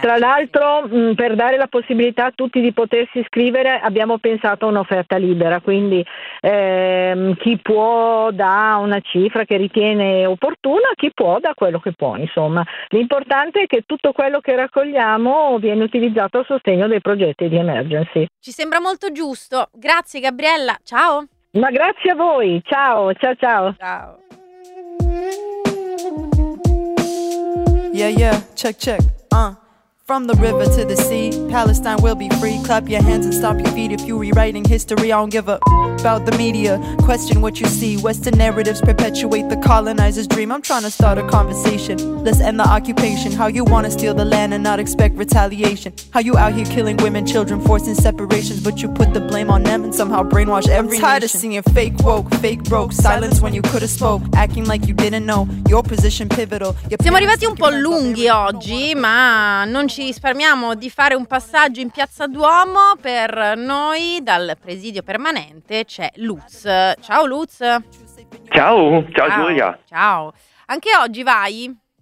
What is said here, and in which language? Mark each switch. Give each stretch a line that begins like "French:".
Italian: Tra l'altro, per dare la possibilità a tutti di potersi iscrivere, abbiamo pensato a un'offerta libera, quindi chi può dà una cifra che ritiene opportuna, chi può dà quello che può, insomma. L'importante è che tutto quello che raccogliamo viene utilizzato a sostegno dei progetti di Emergency. Ci sembra molto giusto. Grazie Gabriella, ciao! Ma grazie a voi, ciao, ciao, ciao! Ciao!
English: Yeah, yeah, check, check, From the river to the sea, Palestine will be free. Clap your hands and stomp your feet if you rewriting history. I don't give a about the media. Question what you see. Western narratives perpetuate the colonizer's dream. I'm trying to start a conversation. Let's end the occupation. How you wanna steal the land and not expect retaliation? How you out here killing women, children, forcing separations, but you put the blame on them and somehow brainwash every nation. tired of seeing fake woke, fake broke. Silence when you could've spoke. Acting like you didn't know your position pivotal.
Italian: Siamo arrivati un po' lunghi oggi, ma non ci risparmiamo di fare un passaggio in Piazza Duomo. Per noi dal presidio permanente c'è Luz. Ciao Luz. Ciao, ciao, ciao Giulia. Ciao. Anche oggi vai?